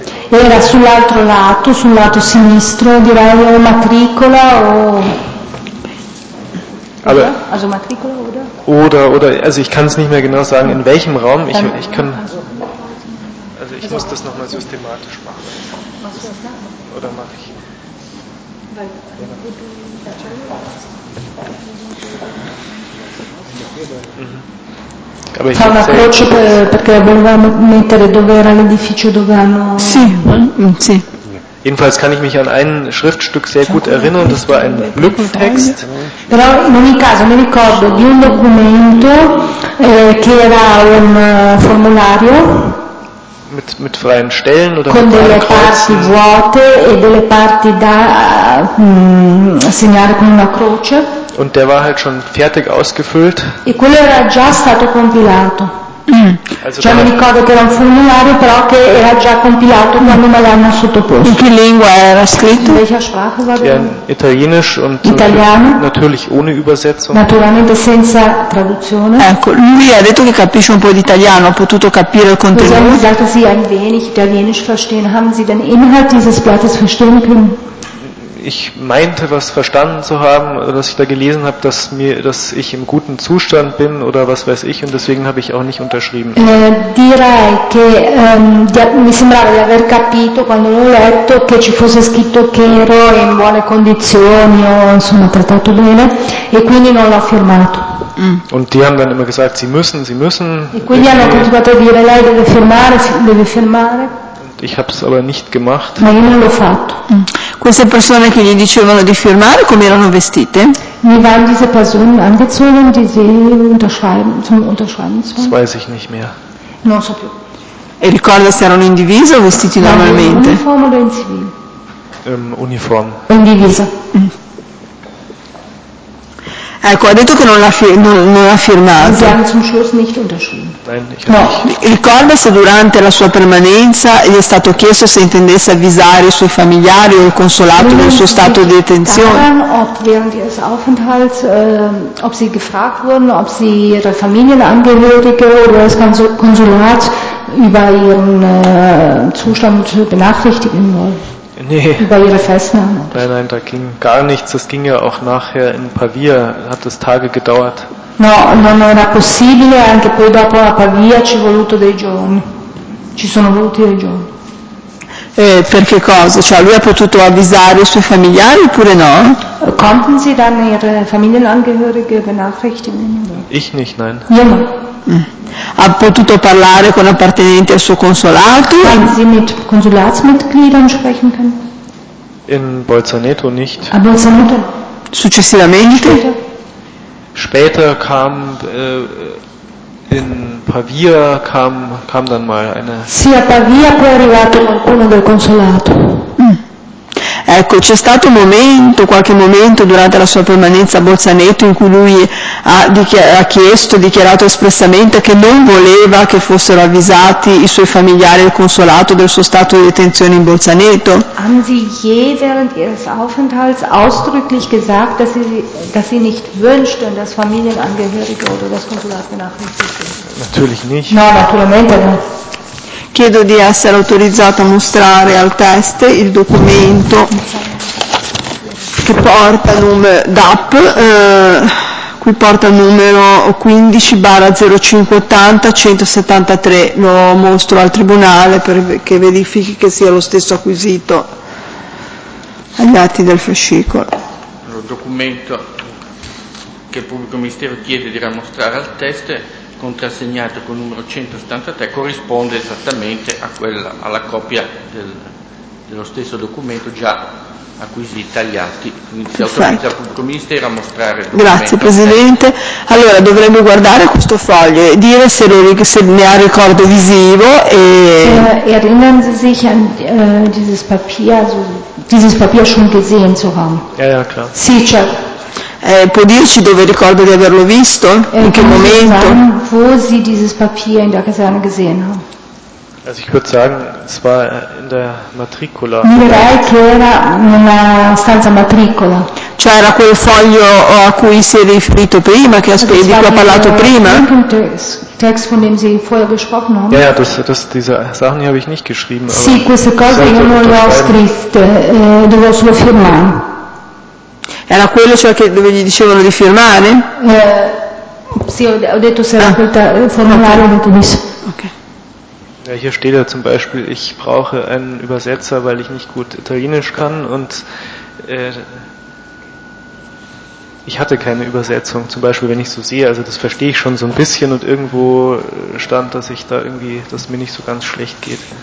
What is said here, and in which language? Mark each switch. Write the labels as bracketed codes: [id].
[it] Era sull'altro lato, sul lato sinistro, direi o matricola o. [de] Aber, also matricola oder? Oder, also ich kann es nicht mehr genau sagen, in welchem Raum. Ich kann. Also ich muss das nochmal systematisch machen. Machst du das nach? Oder mache ich. [it] Fa una croce perché voleva mettere dove era l'edificio dove hanno. Sì, sì. [de] Jedenfalls kann ich mich an ein Schriftstück sehr gut erinnern, das war ein Lückentext. [it] Però in ogni caso mi ricordo di un documento che era un formulario. [de] Mit freien Stellen oder [it] con delle parti vuote e delle parti da segnare con una croce. [de] Und der war halt schon fertig ausgefüllt. [it] E quello era già stato compilato. Also cioè mi ricordo che era un formulario, però che era già compilato quando me l'hanno sottoposto. In che lingua era scritto? [de] In welcher Sprache war das? Italienisch und [it] Italiano. [de] Natürlich ohne Übersetzung. [it] Naturalmente senza traduzione. Ecco, lui ha detto che capisce un po' di italiano, ha potuto capire il contenuto. [de] Sie haben gesagt, dass Sie ein wenig Italienisch verstehen. Haben Sie den Inhalt dieses Blattes verstehen können? Ich meinte, was verstanden zu haben, dass ich da gelesen habe, dass ich im guten Zustand bin oder was weiß ich, und deswegen habe ich auch nicht unterschrieben. [it] Direi che mi sembrava di aver capito quando l'ho letto che ci fosse scritto che ero in buone condizioni o insomma trattato bene e quindi non l'ho firmato. [de] Und die haben dann immer gesagt, sie müssen. [it] E quindi hanno continuato a dire lei deve firmare. [de] Ich habe es aber nicht gemacht. [it] Ma io non l'ho fatto. Queste persone che gli dicevano di firmare, come erano vestite? [de] Wie waren diese Personen angezogen, die sie unterschreiben, zum Unterschreiben zu? Das weiß ich nicht mehr. [it] Non so più. E ricorda se erano in divisa o vestiti normalmente? [de] Uniform oder in zivil? Uniform. [it] In divisa. Ecco, ha detto che non ha firmato. [de] Sie haben zum Schluss nicht unterschrieben. [it] No. Ricorda se durante la sua permanenza gli è stato chiesto se intendesse avvisare i suoi familiari o il consolato del suo stato di detenzione. [de] Daran, ob während ihres Aufenthalts, ob sie gefragt wurden, ob sie ihre Familienangehörige oder das Konsulat über ihren Zustand benachrichtigen wollen. Nee. Über ihre Festnahme. Nein, da ging gar nichts. Das ging ja auch nachher in Pavia, hat es Tage gedauert. [it] No, non era possibile, anche poi dopo a Pavia ci voluto dei giorni. Ci sono voluti dei giorni. Per che cosa? Cioè lui ha potuto avvisare i suoi familiari oppure no? [de] Konnten Sie dann Ihre Familienangehörige benachrichtigen? Ich nicht, nein. Ja. [it] Ha potuto parlare con appartenenti al suo consolato? [de] Haben Sie mit Konsulatsmitgliedern sprechen können? In Bolzaneto nicht. [it] A Bolzaneto? Successivamente? [de] Später kam in Pavia kam dann mal eine. [it] Sì, a Pavia poi è arrivato qualcuno del consolato. Ecco, c'è stato un momento, qualche momento durante la sua permanenza a Bolzaneto in cui lui ha chiesto, dichiarato espressamente che non voleva che fossero avvisati i suoi familiari al consolato del suo stato di detenzione in Bolzaneto. [de] Haben Sie je während Ihres Aufenthalts ausdrücklich gesagt, dass Sie nicht wünschten, dass Familienangehörige oder das Konsulat benachrichtigt sind? Natürlich nicht. [it] No, naturalmente no. Chiedo di essere autorizzato a mostrare al teste il documento che porta DAP, qui porta il numero 15/0580173, lo mostro al tribunale perché verifichi che sia lo stesso acquisito agli atti del fascicolo. Il documento che il pubblico ministero chiede di mostrare al teste, contrassegnato con il numero 173, corrisponde esattamente a quella, alla copia dello stesso documento già acquisiti agli atti. Quindi si autorizza il pubblico ministero a mostrare il documento. Grazie Presidente. Allora dovrebbe guardare questo foglio e dire se ne ha ricordo visivo e... [de] Erinnern Sie sich an dieses Papier, also dieses Papier schon gesehen zu haben? Ja, klar. [it] Sì, certo. Può dirci dove ricorda di averlo visto? In che momento? [de] Sagen, wo Sie dieses Papier in der Kaserne gesehen haben? Also ich würde sagen, es war in der Matricola. [it] Mi direi che era nella stanza matricola. Cioè era quel foglio a cui si è riferito prima, che di cui ha parlato prima? [de] Text, von dem Sie vorher gesprochen haben. Ja, diese Sachen habe ich nicht geschrieben. [it] Sì, queste cose io non le ho scritte, dovevo solo firmare. Era quello cioè che dove gli dicevano di firmare? Sì, ho detto se era quel formulario del commisso. Ok. [de] Ja, hier steht ja zum Beispiel, ich brauche einen Übersetzer, weil ich nicht gut Italienisch kann und ich hatte keine Übersetzung, zum Beispiel, wenn ich so sehe, also das verstehe ich schon so ein bisschen und irgendwo stand, dass ich da irgendwie, dass mir nicht so ganz schlecht geht.